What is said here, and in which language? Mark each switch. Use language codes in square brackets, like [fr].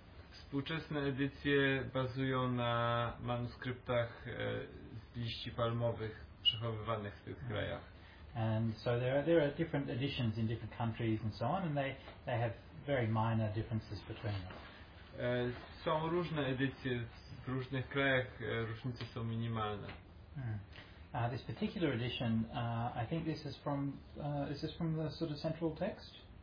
[pl] Współczesne edycje bazują na manuskryptach z liści palmowych przechowywanych w tych krajach. [en] And so there are different editions in different countries and so on, and they have very minor differences between them. [pl] Są różne edycje w różnych krajach, różnice są minimalne. Mm. [en] This particular edition, I think this is from the sort of central text.